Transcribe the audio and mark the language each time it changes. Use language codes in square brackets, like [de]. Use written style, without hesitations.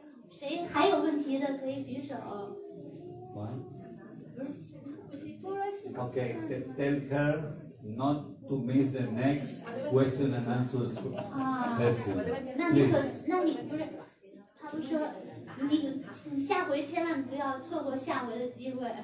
[zh] 谁还有问题的可以举手。 [en] One. Okay, tell her not to miss the next question and answer session. [zh] 那你可，那你不是，他们说你下回千万不要错过下回的机会。